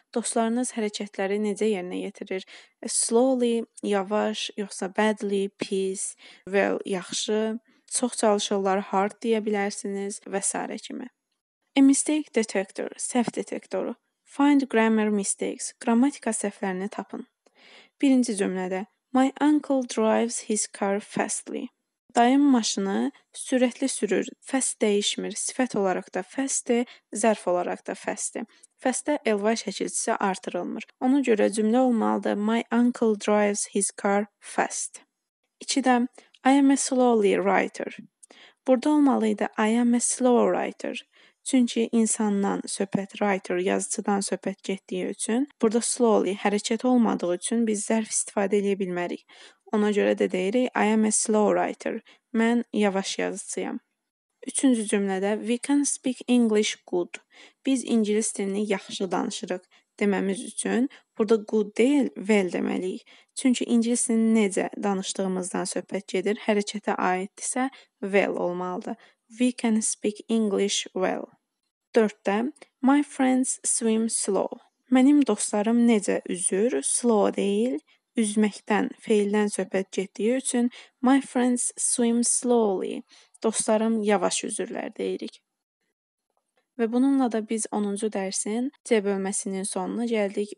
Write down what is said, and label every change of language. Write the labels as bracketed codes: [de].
[az] Dostlarınız hərəkətləri necə yerinə yetirir? Slowly, yavaş, yoxsa badly, peace, well, yaxşı, çox çalışırlar, hard deyə bilərsiniz və s. kimi. [en] A mistake detector, [az] səhv detektoru. [en] Find grammar mistakes, [az] qrammatika səhvlərini tapın. Birinci cümlədə, [en] my uncle drives his car fastly. [az] Dayım maşını sürətli sürür. Fast dəyişmir. Sifət olaraq da fastdir, zərf olaraq da fastdir. Fastdə ly şəkilçisi artırılmır. Ona görə cümlə olmalıdır [en] my uncle drives his car fast. [az] İkidən [en] I am a slowly writer. [az] Burada olmalıydı [en] I am a slow writer. [az] Çünki insandan söhbət writer, yazıcıdan söhbət getdiyi üçün, burada slowly hərəkət olmadığı üçün biz zərf istifadə edə bilmərik. Ona görə də deyirik, [en] I am a slow writer. [az] Mən yavaş yazıcıyam. Üçüncü cümlədə, [en] we can speak English good. [az] Biz ingilis dilini yaxşı danışırıq deməmiz üçün, burada good deyil, well deməliyik. Çünki ingilis dilini necə danışdığımızdan söhbət gedir, hərəkətə aiddirsə, well olmalıdır. [en] We can speak English well. [az] Dörddə, [en] my friends swim slow. [az] Mənim dostlarım necə üzür, slow deyil. Üzməkdən, feildən söhbət getdiyi üçün [en] my friends swim slowly. [az] Dostlarım yavaş üzürlər deyirik. Və bununla da biz 10-cu dərsin C bölməsinin sonuna gəldik.